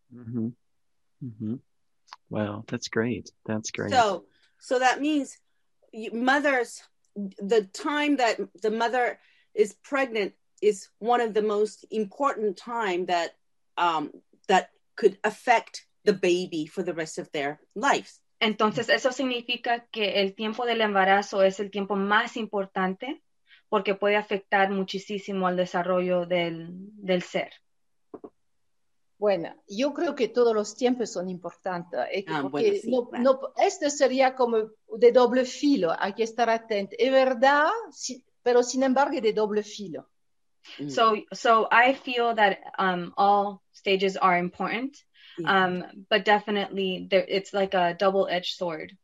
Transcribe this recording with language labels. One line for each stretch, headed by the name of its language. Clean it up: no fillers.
English: Mm-hmm. Mm-hmm. Wow, that's great. That's great. So that means mothers, the time that the mother is pregnant is one of the most important time that that could affect the baby for the rest of their lives.
Spanish: Entonces, eso significa que el tiempo del embarazo es el tiempo más importante porque puede afectar muchísimo al desarrollo del ser. Bueno, yo creo que todos los tiempos son importantes. Bueno. Esto sería como de doble filo, hay que estar atento. Es verdad, sí, pero sin embargo, de doble filo.
English: So I feel that all stages are important, but definitely it's like a double-edged sword.